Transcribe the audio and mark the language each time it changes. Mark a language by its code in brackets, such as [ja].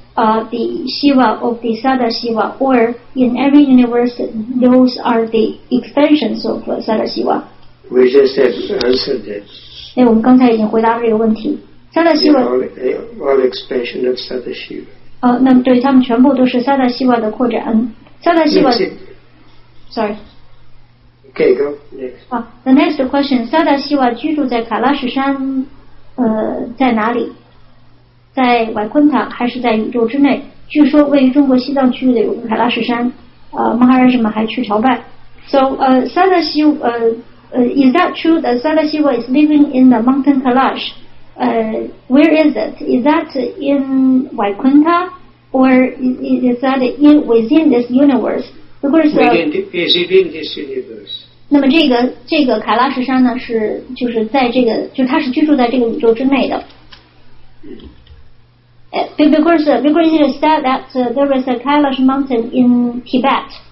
[en] The Shiva of the Sada Shiva, or in every universe, those are the extensions of Sada Shiva. We just have answered that. [zh] 那我们刚才已经回答了这个问题。 [en] Sada Shiva. All expansion of Sada Shiva. [zh] 那么对他们全部都是 Sada Shiva 的扩展。Sada Shiva. [en] Sorry. Okay, go next. The next question. [zh] Sadashiva 居住在卡拉什山在哪里？在瓦昆塔还是在宇宙之内？据说位于中国西藏区域的有个卡拉什山，Maharaj Mahai 去朝拜。 [en] So, is that true that Sadashiva is living in the mountain Kailash? Where is it? Is that in Vaikuntha? Or is that in, within this universe? Because, within, is it in this universe? [zh] 那么这个卡拉什山呢是就是在这个就它是居住在这个宇宙之内的。 [en] Because it is said that there is a Kailash mountain in Tibet.